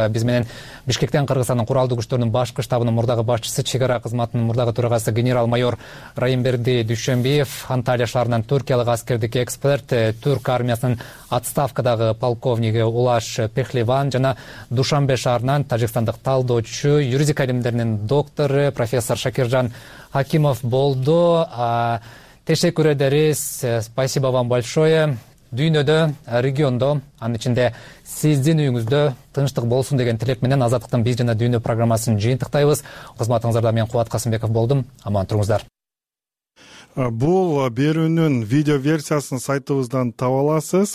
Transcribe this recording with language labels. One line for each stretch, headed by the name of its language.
Kyrgyz: Биз менен Бишкектен Кыргызстандын куралдуу күчтөрүнүн башкы штабынын мурдагы башчысы, чек ара кызматынын мурдагы төрагасы генерал-майор Райымберди Дүйшөнбеев, Анталия шаарынан түркиялык аскердик эксперт, түрк армиясынын отставкадагы полковниги Улаш Пехливан жана Душанбе шаарынан тажикстандык талдоочу, юридика илимдеринин доктору профессор Шакиржан Акимов болду.
Turkish: Тешеккүр эдерис,
Russian: спасибо вам большое.
Kyrgyz: Дүйнөдө, региондо, анын ичинде сиздин үйүңүздө тынчтык болсун деген тилек менен Азаттыктын биз жана дүйнө программасын жыйынтыктайбыз. Кызматыңыздарда мен Кубат Касымбеков болдум. Аман туруңуздар. Бул берүүнүн видео версиясын сайтыбыздан таба аласыз.